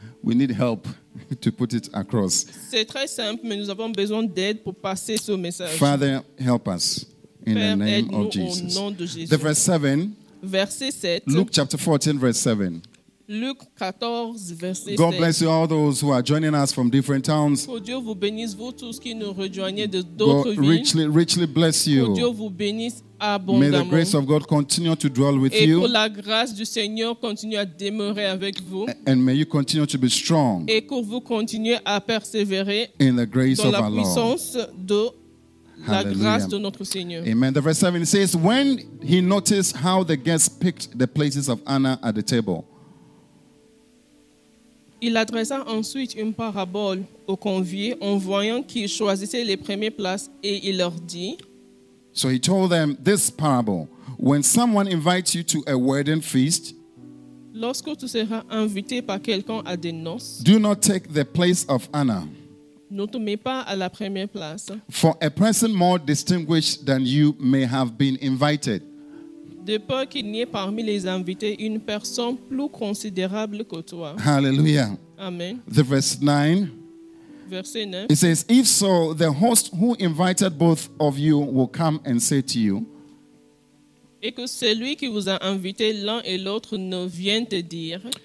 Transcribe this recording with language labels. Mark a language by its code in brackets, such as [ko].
[en] We need help to put it across. [fr] C'est très simple, mais nous avons besoin d'aide pour passer ce message. [en] Father, help us in [fr] Père, [en] the name of Jesus. [fr] Au nom de Jésus. [en] The verse 7. [fr] Verset 7. [en] Luke chapter 14, verse 7. [fr] Luc 14, verset 7. [en] God bless you all those who are joining us from different towns. [fr] Que Dieu vous bénisse, vous tous qui nous rejoignez de d'autres villes. [en] Richly bless you. [fr] Que Dieu vous bénisse abondamment. [en] May the grace of God continue to dwell with [fr] Et [en] you. [fr] Et que la grâce du Seigneur continue à demeurer avec vous. [en] And may you continue to be strong. [fr] Et que vous continuez à persévérer [en] in the grace [fr] dans [en] of [fr] la puissance [en] Lord. [fr] De la grâce de notre Seigneur. Amen. [en] The verse 7 says, when he noticed how the guests picked the places of honor at the table. [fr] Il adressa ensuite une parabole aux conviés en voyant qu'ils choisissaient les premières places et il leur dit. [en] So he told them this parable. When someone invites you to a wedding feast, [fr] lorsque tu seras invité par quelqu'un à des noces, [en] do not take the place of honor. [fr] Ne te mets pas à la première place. [en] For a person more distinguished than you may have been invited. [fr] De peur qu'il n'y ait parmi les invités une personne plus considérable que toi. Hallelujah. Amen. [en] The verse 9. [fr] Verset 9. [en] It says, if so, the host who invited both of you will come and say to you. [fr] Et que celui qui vous a invité l'un et l'autre ne vienne te dire.